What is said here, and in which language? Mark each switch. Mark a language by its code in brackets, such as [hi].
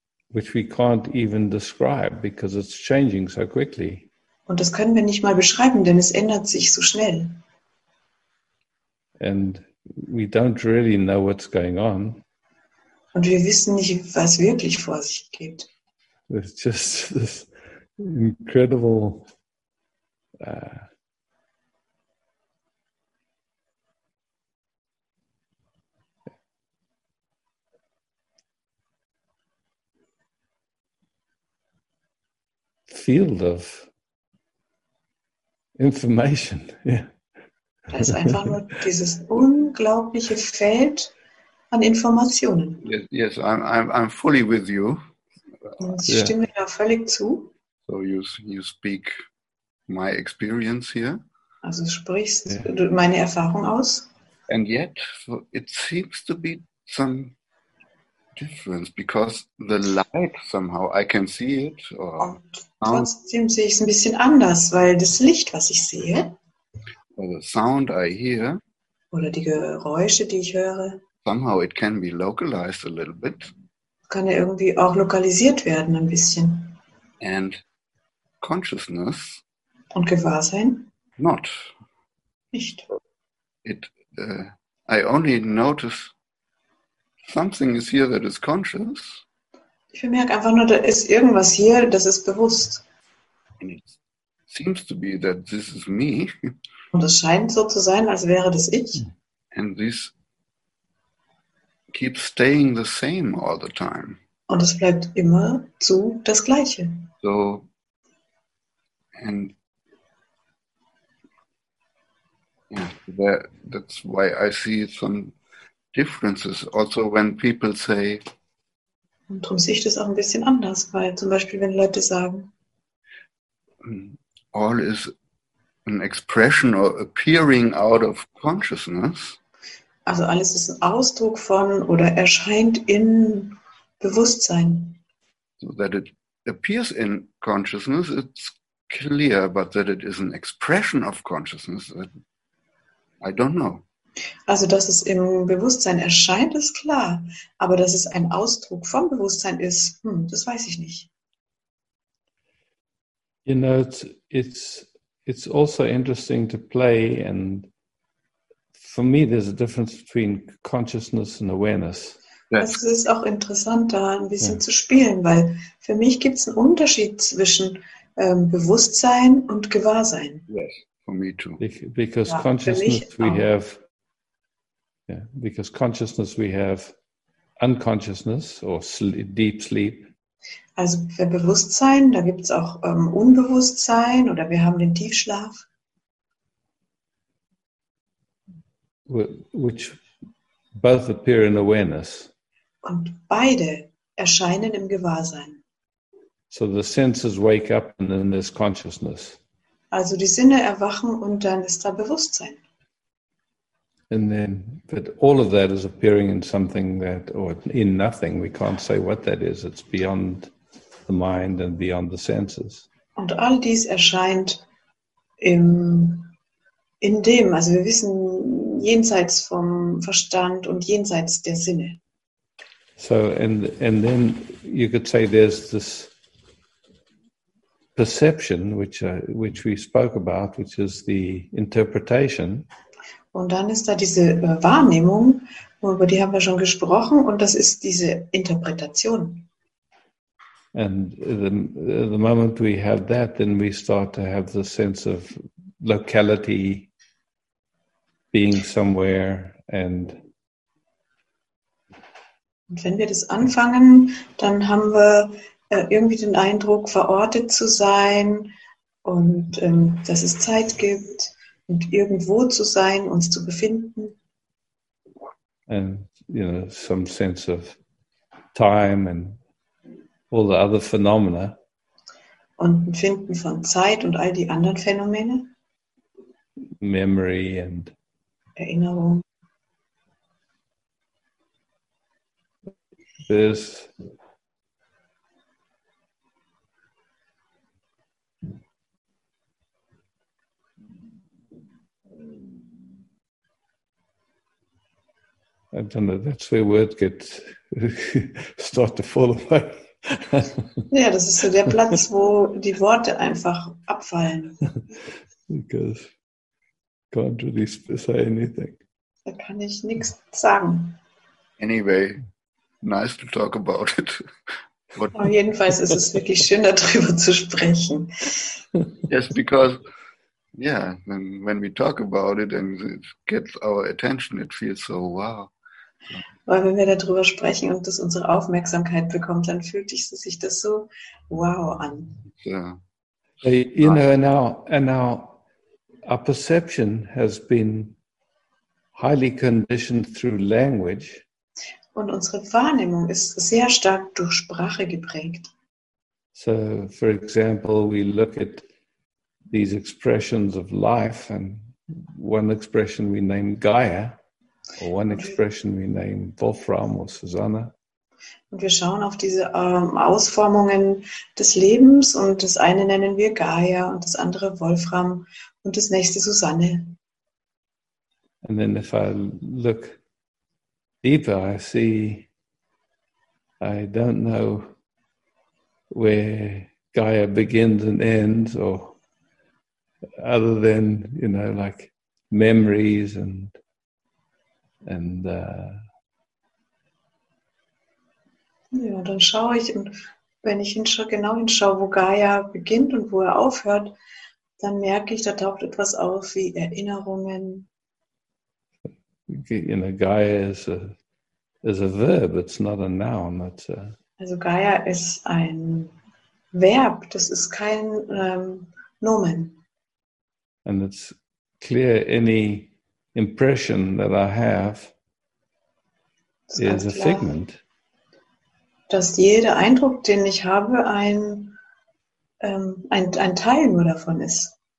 [en] Which we can't even describe because it's changing so quickly. [de] Und das können wir nicht mal beschreiben, denn es ändert sich so schnell. [en] And we don't really know what's going on. [de] Und wir wissen nicht, was wirklich vor sich geht. [en] It's just this incredible field of information. Yeah. [de] Das ist einfach nur dieses unglaubliche Feld an Informationen. [en] Yes, I'm fully with you. [de] Ich stimme dir da völlig zu. [en] So you speak my experience here. [de] Also sprichst du meine Erfahrung aus. [en] And yet, so it seems to be some difference, because the light somehow, I can see it. Or [de] trotzdem sehe ich es ein bisschen anders, weil das Licht, was ich sehe, [en] or the sound I hear, [de] oder die Geräusche, die ich höre, [en] somehow it can be localized a little bit. [de] Kann ja irgendwie auch lokalisiert werden ein bisschen. [en] And consciousness, [de] und Gewahrsein, [en] not. [de] Nicht. [en] I only notice something is here that is conscious. [de] Ich bemerke einfach nur, da ist irgendwas hier, das ist bewusst. [en] And it seems to be that this is me. [de] Und es scheint so zu sein, als wäre das ich. [en] And this keeps staying the same all the time. [de] Und es bleibt immer zu das Gleiche. [en] So, and yeah, that's why I see some differences. Also, when people say, [de] und darum sehe ich das auch ein bisschen anders, weil zum Beispiel, wenn Leute sagen, [en] all is an expression or appearing out of consciousness. [de] Also alles ist ein Ausdruck von oder erscheint in Bewusstsein. [en] So that it appears in consciousness, it's clear, but that it is an expression of consciousness, I don't know. [de] Also dass es im Bewusstsein erscheint, ist klar, aber dass es ein Ausdruck vom Bewusstsein ist, das weiß ich nicht. [en] You know, it's also interesting to play, and for me there's a difference between consciousness and awareness. [de] Das ist auch interessant, da ein bisschen zu spielen, weil für mich gibt es einen Unterschied zwischen Bewusstsein und Gewahrsein. [en] Yes, for me too. Because consciousness we have, yeah, because consciousness we have unconsciousness or deep sleep. [de] Also für Bewusstsein, da gibt es auch Unbewusstsein oder wir haben den Tiefschlaf. [en] Which both appear in awareness. [de] Und beide erscheinen im Gewahrsein. [en] So the senses wake up and then there's consciousness. [de] Also die Sinne erwachen und dann ist da Bewusstsein. [en] And then, but all of that is appearing in something that, or in nothing, we can't say what that is, it's beyond the mind and beyond the senses. [de] Und all dies erscheint in dem, also wir wissen jenseits vom Verstand und jenseits der Sinne. [en] So, and then you could say there's this perception, which we spoke about, which is the interpretation. [de] Und dann ist da diese Wahrnehmung, über die haben wir schon gesprochen, und das ist diese Interpretation. [en] And the moment we have that, then we start to have the sense of locality. being somewhere and [de] wenn wir das anfangen, dann haben wir irgendwie den Eindruck, verortet zu sein und dass es Zeit gibt und irgendwo zu sein, uns zu befinden. [en] And, you know, some sense of time and all the other phenomena. [de] Und ein Finden von Zeit und all die anderen Phänomene. [en] Memory and [de] Erinnerung. [en] This. I don't know, that's where words get start to fall away. [de] Ja, das ist so der Platz, wo die Worte einfach abfallen. [en] Because I can't really say anything. [de] Da kann ich nichts sagen. [en] Anyway, nice to talk about it. But [de] jedenfalls ist es wirklich schön, darüber zu sprechen. [en] Yes, because yeah, when we talk about it and it gets our attention, it feels so wow. [de] Weil wenn wir darüber sprechen und das unsere Aufmerksamkeit bekommt, dann fühlt sich das so wow an. Ja. [en] You know, and our perception has been highly conditioned through language. [de] Und unsere Wahrnehmung ist sehr stark durch Sprache geprägt. [en] So, for example, we look at these expressions of life and one expression we name Gaia. Or one expression we name Wolfram or Susanna. [de] Und wir schauen auf diese Ausformungen des Lebens und das eine nennen wir Gaia und das andere Wolfram und das nächste Susanne. [en] And then if I look deeper, I see I don't know where Gaia begins and ends or other than, you know, like memories and [de] ja, dann schaue ich und wenn ich genau hinschaue, wo Gaia beginnt und wo er aufhört, dann merke ich, da taucht etwas auf wie Erinnerungen. [en] You know, Gaia is a verb, it's not a noun. It's a [de] also Gaia ist ein Verb, das ist kein Nomen. [en] And it's clear any impression that I have is [de] klar, [en] a figment. [de] Dass jeder Eindruck, den ich habe, ein Teil nur davon ist.